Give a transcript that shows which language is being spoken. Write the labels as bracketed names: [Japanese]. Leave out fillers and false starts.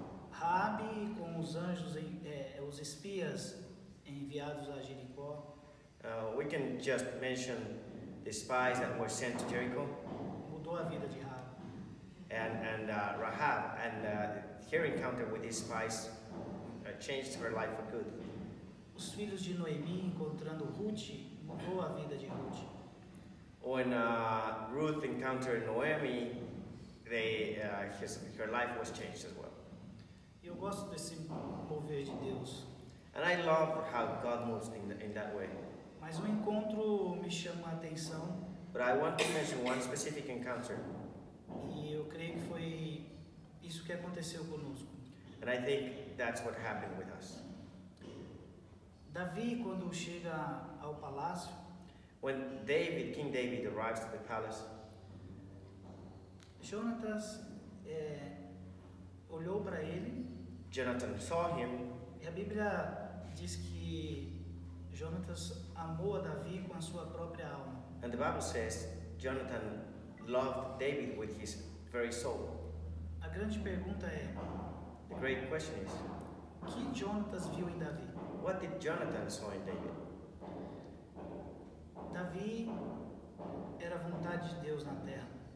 [Portuguese] Rabi com os anjos, os espias enviados a Jericó. [English] We can just mention the spies that were sent to Jericho. [Portuguese] Mudou a vida de Rabi. [English] And her encounter with these spies changed her life for good. [Portuguese] Os filhos de Noemi encontrando Ruth mudou a vida de Ruth. [English] When Ruth encountered Noemi, her life was changed as well. [Portuguese] Eu gosto desse mover de Deus. [English] And I love how God moves in that way. [Portuguese] Mas um encontro me chama a atenção. [English] But I want to mention one specific encounter. [Portuguese] E eu creio que foi isso que aconteceu conosco. [English] And I think that's what happened with us. [Portuguese] Davi, quando chega ao palácio, [English] when David, King David, arrives to the palace, [Portuguese] Jonatas olhou para ele. [English] Jonathan saw him. [Portuguese] E a Bíblia diz que Jonatas amou a Davi com a sua própria alma. [English] And the Bible says Jonathan loved David with his very soul. [Portuguese] A grande pergunta é, [English] the great question is, [Portuguese] que Jonatas viu em Davi? [English] What did Jonathan saw in David? [Portuguese] Davi era vontade de Deus na terra.